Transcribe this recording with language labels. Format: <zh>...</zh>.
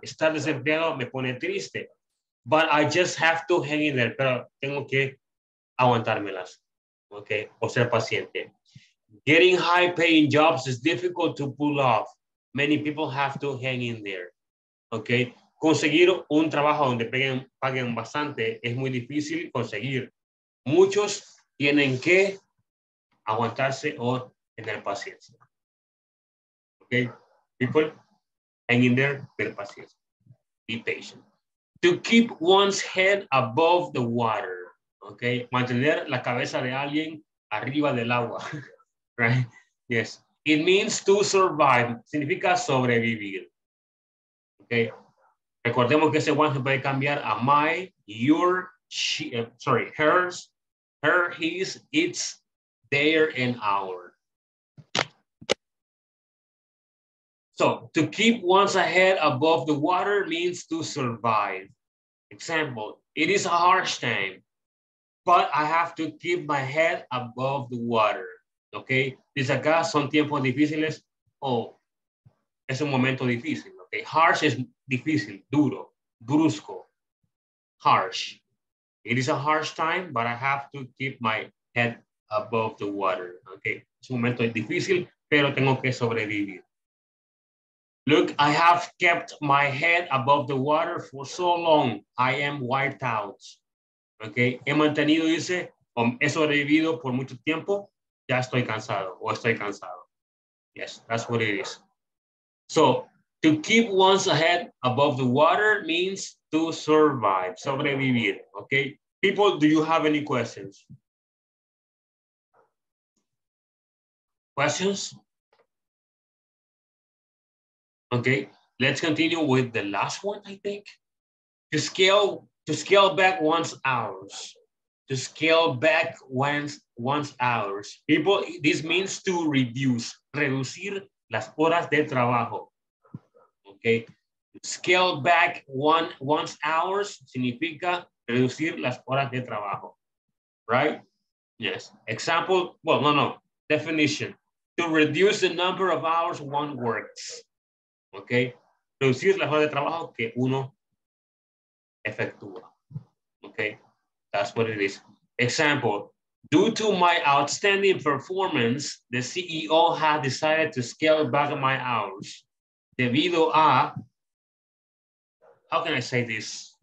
<es>Estar desempleado me pone triste.</es> <en>But I just have to hang in there,</en> <es>pero tengo que aguantármelas, okay, o ser paciente.</es> <en>Getting high-paying jobs is difficult to pull off. Many people have to hang in there, okay.</en> <es>Conseguir un trabajo donde paguen bastante es muy difícil conseguir. Muchos tienen que aguantarse o tener paciencia, okay.</es> <en>People, hang in there,</en> <es>ten paciencia,</es> <en>be patient. To keep one's head above the water, okay?</en> <es>Mantener la cabeza de alguien arriba del agua, right?</es> <en>Yes. It means to survive.</en> <es>Significa sobrevivir,</es> <en>okay?</en> <es>Recordemos que ese one se puede cambiar a my, your, hers, her, his, its, their, and our.</es> <en>So, to keep one's head above the water means to survive. Example, it is a harsh time, but I have to keep my head above the water.</en> <es>Okay, dice acá son tiempos difíciles o es un momento difícil.</es> <en>Okay, harsh is</en> <es>difícil, duro, brusco,</es> <en>harsh. It is a harsh time, but I have to keep my head above the water.</en> <es>Okay, es un momento difícil, pero tengo que sobrevivir.</es> <en>Look, I have kept my head above the water for so long, I am wiped out.</en> <es>Okay, he mantenido, dice, he sobrevivido por mucho tiempo, ya estoy cansado, o estoy cansado.</es> <en>Yes, that's what it is. So, to keep one's head above the water means to survive, sobrevivir, okay? People, do you have any questions? Questions? Okay, let's continue with the last one, I think. to scale back one's hours. To scale back one's hours. People, this means to reduce,</en> <es>reducir las horas de trabajo.</es> <en>Okay.</en> <es>Scale back one's hours significa reducir las horas de trabajo.</es> <en>Right? Yes. Example, well, no. Definition. To reduce the number of hours one works. Okay.</en> <es>Reducir las horas de trabajo que uno efectúa.</es> <en>Okay. That's what it is. Example. Due to my outstanding performance, the CEO has decided to scale back my hours.</en> <es>Debido a,</es> <en>how can I say this?</en>